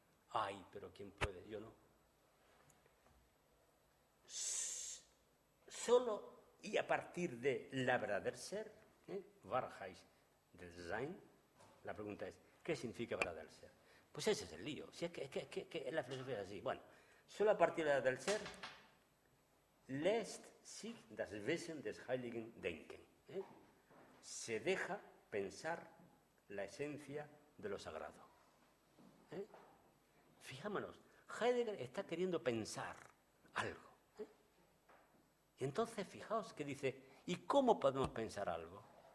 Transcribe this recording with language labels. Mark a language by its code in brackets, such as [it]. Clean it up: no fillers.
[es] Ay, pero ¿quién puede? Yo no. Solo y a partir de la verdad del ser, [de] Wahrheit des Sein, [es] la pregunta es, ¿qué significa verdad del ser? Pues ese es el lío. Si es que en la filosofía es así. Bueno, solo a partir de la verdad del ser, [de] lässt sich das Wesen des Heiligen denken. [es] Se deja pensar la esencia de lo sagrado. Fijámonos, Heidegger está queriendo pensar algo. Y entonces, fijaos que dice, ¿y cómo podemos pensar algo?